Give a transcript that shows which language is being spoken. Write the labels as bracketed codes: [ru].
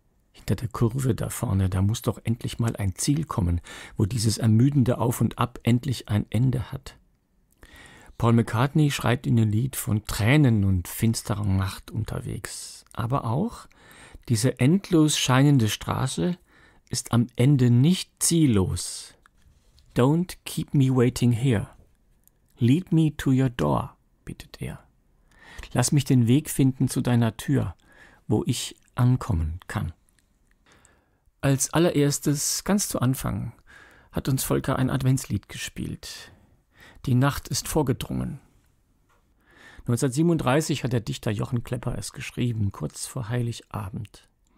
[de] Hinter der Kurve da vorne, da muss doch endlich mal ein Ziel kommen, wo dieses ermüdende Auf und Ab endlich ein Ende hat. Paul McCartney schreibt in dem Lied von Tränen und finsterer Nacht unterwegs. Aber auch, diese endlos scheinende Straße ist am Ende nicht ziellos. [en] Don't keep me waiting here. Lead me to your door, [de] bittet er. Lass mich den Weg finden zu deiner Tür, wo ich ankommen kann. Als allererstes, ganz zu Anfang, hat uns Volker ein Adventslied gespielt. Die Nacht ist vorgedrungen. 1937 hat der Dichter Jochen Klepper es geschrieben, kurz vor Heiligabend.